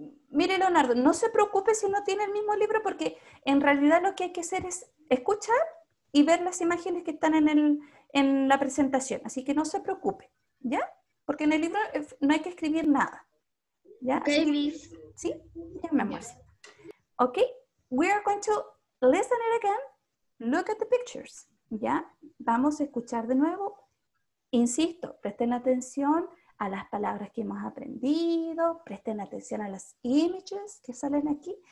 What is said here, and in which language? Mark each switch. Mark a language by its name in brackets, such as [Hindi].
[Spanish] Mire, Leonardo, no se preocupe si no tiene el mismo libro, porque en realidad lo que hay que hacer es escuchar y ver las imágenes que están en la presentación. Así que no se preocupe. ¿Ya? Porque en el libro no hay que escribir nada. ¿Ya? Okay, que, Miss. ¿Sí? Ya me amor. Yeah. [English] Ok, we are going to listen it again. Look at the pictures. ¿Ya? [Spanish] Vamos a escuchar de nuevo. Insisto, presten atención a las palabras que hemos aprendido. Presten atención a las images que salen aquí.